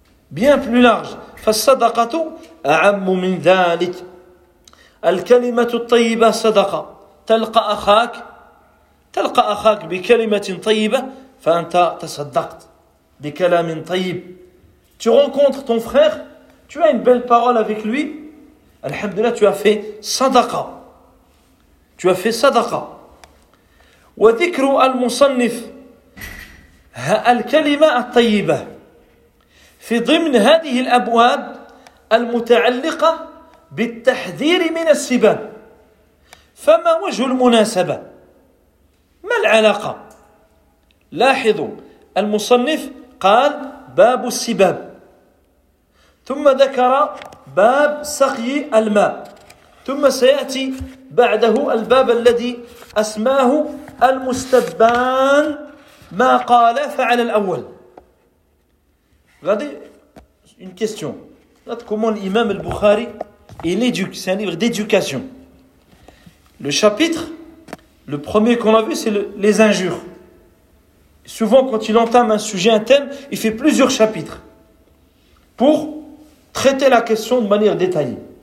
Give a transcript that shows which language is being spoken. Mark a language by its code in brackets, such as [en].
[fr] Bien plus large. [ar] فَالصَّدَقَةُ أَعَمُّ مِنْ ذَلِكَ الْكَلِمَةُ الطَّيِّبَةُ صَدَقَةُ تَلْقَ أَخَاكَ بِكَلِمَةٍ طَيِّبَةٍ فَأَنْتَ تَصَدَّقْتَ بِكَلَامٍ طَيِّبٍ. [fr] Tu rencontres ton frère, tu as une belle parole avec lui, alhamdulillah, tu as fait sadaqa. Tu as fait sadaqa. [ar] وذكر المصنف الكلمة الطيبة في ضمن هذه الأبواب المتعلقة بالتحذير من السباب. فما وجه المناسبة؟ ما العلاقة؟ لاحظوا المصنف قال باب السباب ثم ذكر باب سقي الماء ثم سيأتي بعده الباب الذي أسماه المستبان ما قال فعل الأول. [fr] غادي une question. Regarde comment l'imam al-Bukhari il éduque, c'est un livre d'éducation. Le chapitre, le premier qu'on a vu, c'est les injures. Souvent, quand il entame un sujet, un thème, il fait plusieurs chapitres pour traiter la question de manière détaillée.